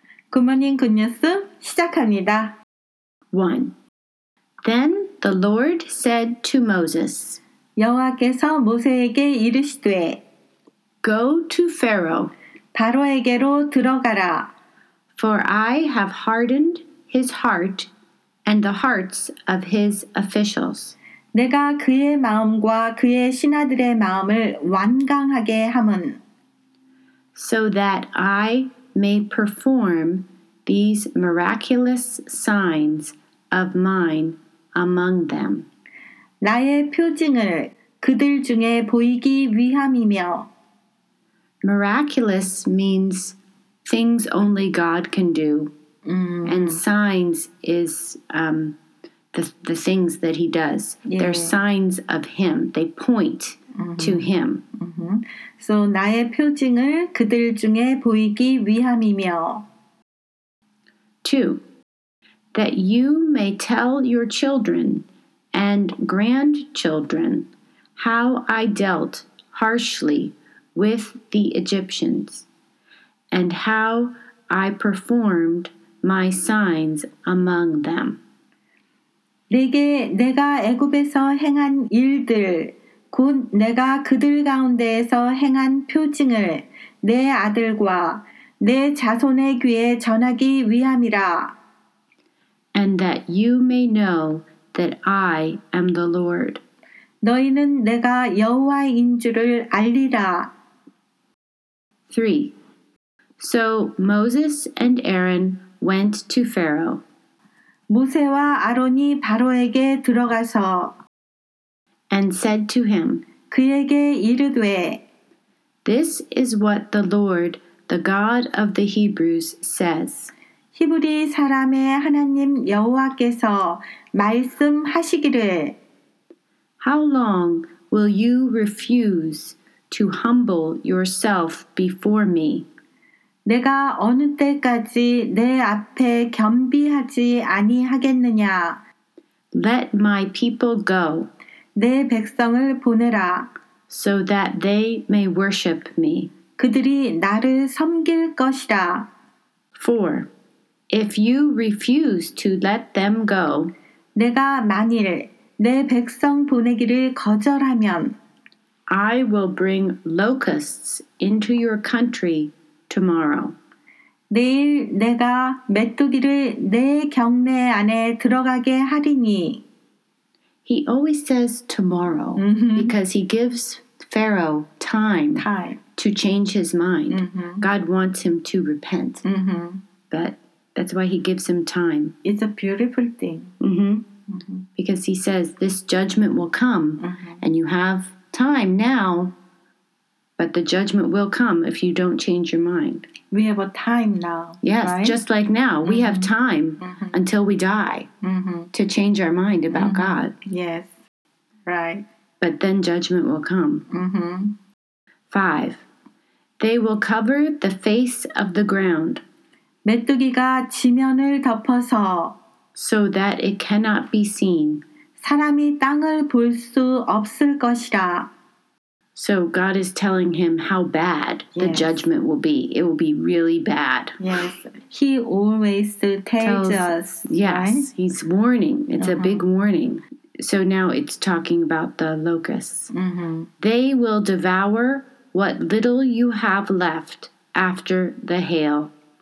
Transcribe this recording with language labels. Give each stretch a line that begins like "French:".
English: Good morning, Good News
Korean: 시작합니다.
English: 1. Then the Lord said to Moses,
Korean: 여호와께서 모세에게 이르시되,
English: Go to Pharaoh,
Korean: 바로에게로 들어가라.
English: For I have hardened his heart and the hearts of his officials.
Korean: 내가 그의 마음과 그의 신하들의 마음을 완강하게 함은,
English: So that I may perform these miraculous signs of mine among them.
Korean: 나의 표징을 그들 중에 보이기 위함이며.
English: Miraculous means things only God can do. And signs is the things that he does. Yeah. They're signs of him. They point to him.
Korean: So 나의 표징을 그들 중에 보이기 위함이며.
English: 2. That you may tell your children and grandchildren how I dealt harshly with the Egyptians and how I performed my signs among them.
Korean: 내게 내가 애굽에서 행한 일들, 곧 내가 그들 가운데에서 행한 표징을 내 아들과 내 자손의 귀에 전하기 위함이라.
English: And that you may know that I am the Lord.
Korean: 너희는 내가 여호와인 줄을 알리라.
English: 3. So Moses and Aaron went to Pharaoh.
Korean: 모세와 아론이 바로에게 들어가서.
English: And said to him,
Korean: 그에게 이르되,
English: This is what the Lord The God of the Hebrews says,
Korean: 히브리 사람의 하나님 여호와께서 말씀하시기를,
English: How long will you refuse to humble yourself before me?
Korean: 내가 어느 때까지 내 앞에 겸비하지 아니하겠느냐?
English: Let my people go,
Korean: 내 백성을 보내라,
English: so that they may worship me.
Korean: 그들이 나를 섬길 것이라.
English: 4. If you refuse to let them go,
Korean: 내가 만일 내 백성 보내기를 거절하면,
English: I will bring locusts into your country tomorrow.
Korean: 내일 내가 메뚜기를 내 경내 안에 들어가게 하리니.
English: He always says tomorrow because he gives Pharaoh time. To change his mind. God wants him to repent. But that's why he gives him time. It's a beautiful thing. Because he says this judgment will come. And you have time now. But the judgment will come if you don't change your mind. We have a time now. Yes, right? Just like now. Mm-hmm. We have time mm-hmm. until we die mm-hmm. to change our mind about mm-hmm. God. Yes, right. But then judgment will come. Mm-hmm. Five. They will cover the face of the ground.
Korean: 메뚜기가 지면을 덮어서
English: so that it cannot be seen.
Korean: 사람이 땅을 볼 수 없을 것이라.
English: So God is telling him how bad yes. the judgment will be. It will be really bad. Yes. He always tells us. Yes. Right? He's warning. It's uh-huh. a big warning. So now it's talking about the locusts. Mm-hmm. They will devour what little you have left after the hail.